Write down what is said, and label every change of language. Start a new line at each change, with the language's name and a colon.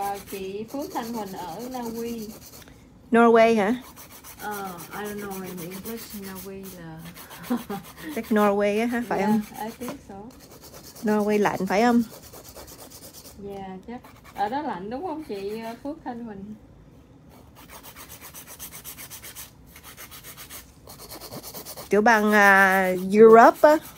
Vietnamese: Chị Phước Thanh Huỳnh ở Na Uy. Norway hả?
English: I don't know in English,
Vietnamese: Na Uy là... Chắc Norway á, phải không?
English: I think so.
Vietnamese: Norway lạnh phải không? Yeah, chắc. Ở đó lạnh đúng không chị Phước Thanh Huỳnh? Tiểu bang Europe á.